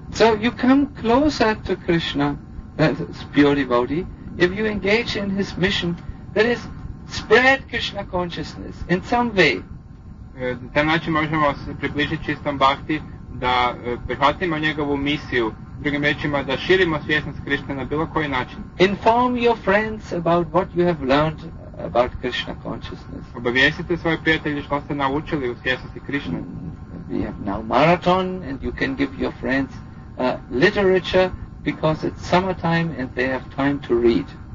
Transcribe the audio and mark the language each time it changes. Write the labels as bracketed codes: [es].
[en] So you come closer to Krishna, that's pure devotee, if you engage in his mission, that is, spread Krishna consciousness in some way. [hr] Na taj način možemo se približiti čistom bhakti, da prihvatimo njegovu misiju, drugim rečima, da širimo svjesnost Krishna na bilo koji način. [en] Inform your friends about what you have learned about Krishna consciousness. [hr] Obavijestite svoje prijatelje što ste naučili u svjesnosti Krishna. [en] We have now marathon and you can give your friends literature because it's summertime and they have time to read.